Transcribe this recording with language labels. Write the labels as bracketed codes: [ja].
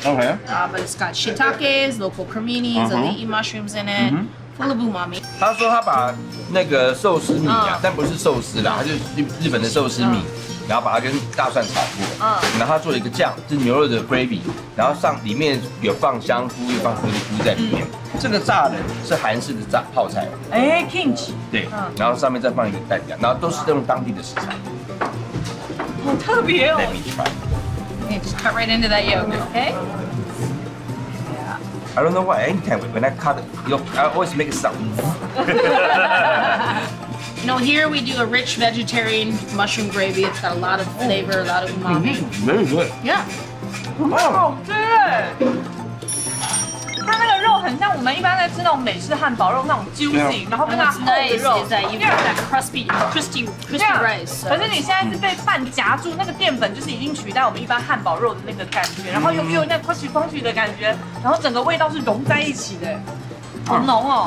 [en] But it's got shiitakes, local cremini's, ali'i mushrooms in it. Full of umami. [zh] 他说他把那个寿司米啊，但不是寿司啦，他就是日本的寿司米。然后把它跟大蒜炒过，然后它做了一个酱，是牛肉的 gravy， 然后上里面有放香菇，有放菲律宾在里面。这个炸的是韩式的炸泡菜，哎 ，kimchi。对，然后上面再放一个蛋饼，然后都是用当地的食材，好特别哦。 [en] Let me try. Okay, just cut right into that yolk, okay? Yeah. I don't know why. Anytime when I cut yolk, I always make a sound. You know, here we do a rich vegetarian mushroom gravy. It's got a lot of flavor, a lot of umami. This is very good. Yeah. Wow. [zh] 好吃耶！它那个肉很像我们一般在吃那种美式汉堡肉那种 juicy， 然后跟那厚的肉，对，有点 [en] crispy rice。 [zh] 可是你现在是被饭夹住，那个淀粉就是已经取代我们一般汉堡肉的那个感觉，然后又有那 [en] crispy crunchy [zh] 的感觉，然后整个味道是融在一起的，好浓哦。